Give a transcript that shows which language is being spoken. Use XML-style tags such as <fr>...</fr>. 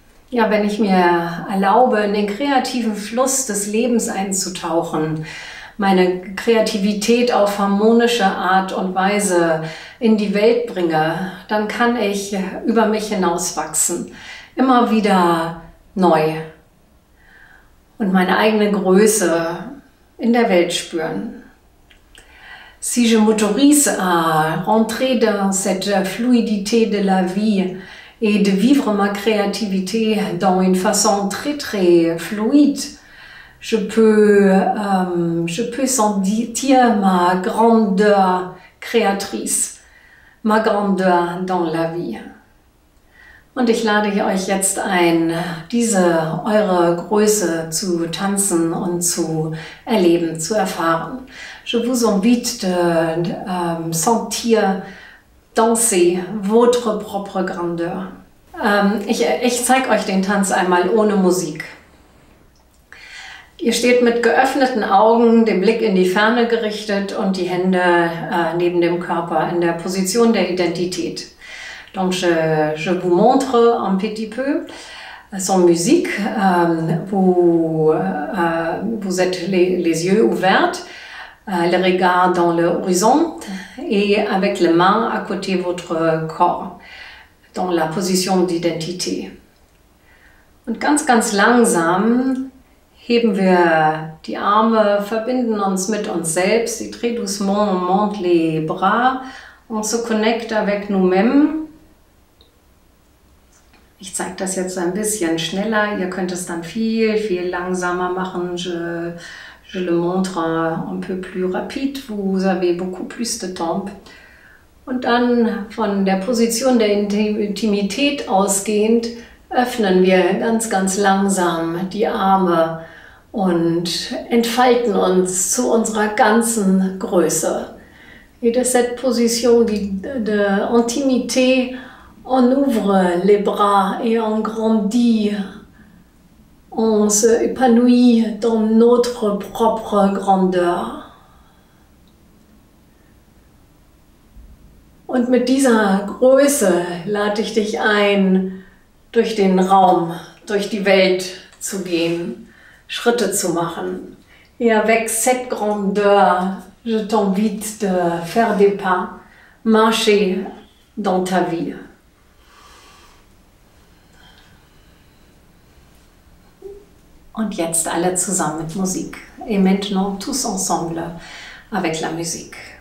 <de>Ja, wenn ich mir erlaube, in den kreativen Fluss des Lebens einzutauchen, meine Kreativität auf harmonische Art und Weise in die Welt bringe, dann kann ich über mich hinauswachsen, immer wieder neu und meine eigene Größe in der Welt spüren.</de> <fr>Si je m'autorise à rentrer dans cette fluidité de la vie et de vivre ma créativité dans une façon très très fluide, je peux sentir ma grandeur créatrice, ma grandeur dans la vie.</fr> <de>Und ich lade euch jetzt ein, diese eure Größe zu tanzen und zu erleben, zu erfahren.</de> <fr>Je vous invite de sentir danser votre propre grandeur.</fr> <de>Ich zeige euch den Tanz einmal ohne Musik. Ihr steht mit geöffneten Augen, den Blick in die Ferne gerichtet und die Hände neben dem Körper in der Position der Identität.</de> <fr>Donc je vous montre un petit peu sans musique. Vous êtes les yeux ouverts, le regard dans l'horizon et avec les mains à côté de votre corps, dans la position d'identité.</fr> <de>Und ganz, ganz langsam heben wir die Arme, verbinden uns mit uns selbst.</de> <fr>Et très doucement, on monte les bras. On se connecte avec nous-mêmes.</fr> <de>Ich zeige das jetzt ein bisschen schneller. Ihr könnt es dann viel, viel langsamer machen.</de> <fr>Je le montre un peu plus rapide. Vous avez beaucoup plus de temps.</fr> <de>Und dann von der Position der Intimität ausgehend öffnen wir ganz, ganz langsam die Arme und entfalten uns zu unserer ganzen Größe.</de> <fr>Et de cette position d'intimité, on ouvre les bras et on grandit, on se épanouit dans notre propre grandeur.</fr> <de>Und mit dieser Größe lade ich dich ein, durch den Raum, durch die Welt zu gehen, Schritte zu machen.</de> <fr>Et avec cette grandeur, je t'invite de faire des pas, marcher dans ta vie.</fr> <de>Und jetzt alle zusammen mit Musik.</de> <fr>Et maintenant tous ensemble avec la musique.</fr>